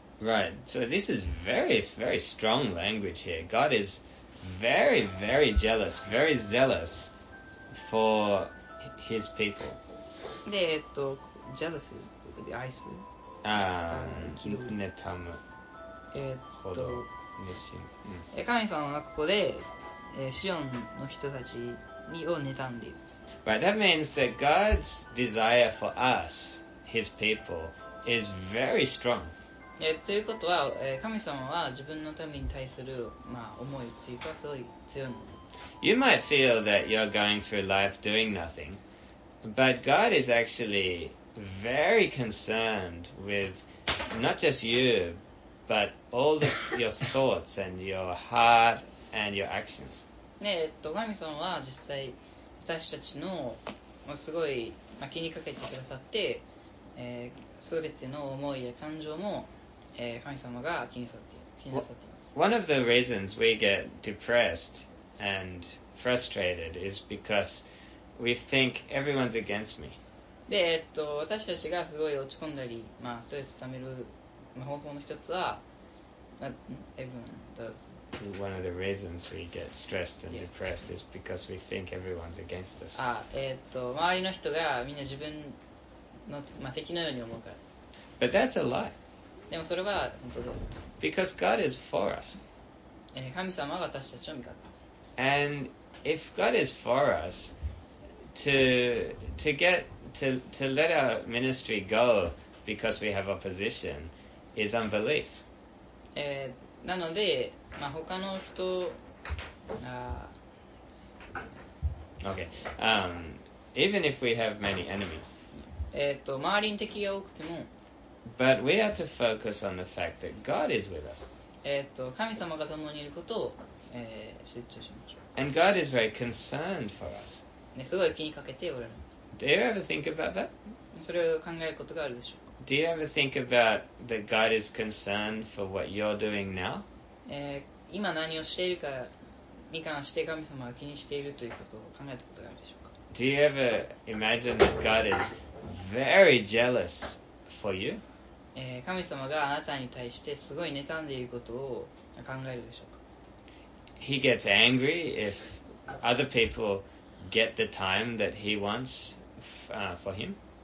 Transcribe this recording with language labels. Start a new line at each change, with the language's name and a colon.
English: Right, so this is very, very strong language here. God is very, very jealous, very zealous for his people. で、jealous is
Japanese: 愛する。妬む。ほど。嬉しい、うん、神様はここで、シオンの人たちにを妬んでいます。
English: Right, that means that God's desire for us, His people, is very strong.
Japanese: ということは、神様は自分のために対する、まあ、思いというかすごい強いのです。
English: You might feel that you're going through life doing nothing, but God is actually very concerned with not just you, but all the, your thoughts and your heart and your actions.
Japanese: ね、神様は実際私たちの、まあ、すごい、まあ、気にかけてくださって、すべての思いや感情も、神様が気になさっています。
English: One of the reasons we get depressed and frustrated is because we think everyone's against me.
Japanese: で、私たちがすごい落ち込んだり、まあ、ストレスを溜める方法の一つは、まあ、
English: everyone does. One of the reasons we get stressed and depressed is because we think everyone's against us.
Japanese: Ah, 周りの人がみんな自分の、まあ、敵のように思うからです。
English: But that's a lie.
Japanese: でもそれは本当だ。
English: Because God is for us.
Japanese: 神様は私たちの味方です。
English: And if God is for us, to let our ministry go because we have opposition is unbelief.
Japanese: なので、まあ、他の人が、
English: okay. Even if we have many enemies,
Japanese: 周りに敵が多くても、
English: but we are to focus on the fact that God is with us.
Japanese: 神様が共にいることを、集中しましょう。
English: And God is very concerned for us.、
Japanese: ね、すごい気にかけておられます。
English: Do you ever think about that?
Japanese: それを考えることがあるでしょうか。
English: Do you ever think about that God is concerned for what you're doing now?
Japanese: 今何をしているかに関して神様は気にしているということを考えたことがあるでしょうか?
English: Do you ever imagine that God is very jealous for you?
Japanese: 神様があなたに対してすごい妬んでいることを考えるでしょうか?
English: He gets angry if other people get the time that he wants for him.